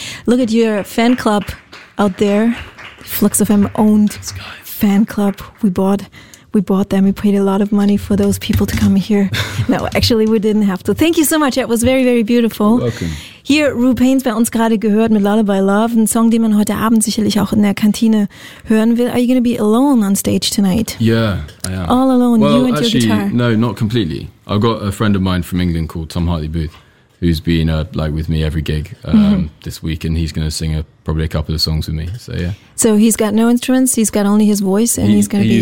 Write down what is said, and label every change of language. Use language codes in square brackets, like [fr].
[en] Look at your fan club out there. Flux FM owned fan club. We bought them. We paid a lot of money for those people to come here. No, actually, we didn't have to. Thank you so much. That was very, very beautiful. You're welcome. [de] Hier, Ru Payne's bei uns gerade gehört mit Lullaby Love, ein Song, den man heute Abend sicherlich auch in der Kantine hören will. [en] Are you going to be alone on stage tonight? Yeah, I am. All alone, well, you and actually, your guitar. No, not completely. I've got a friend of mine from England called Tom Hartley Booth, who's been like with me every gig this week, and he's going to sing probably a couple of songs with me. So yeah. So he's got no instruments. He's got only his voice, and he's going to be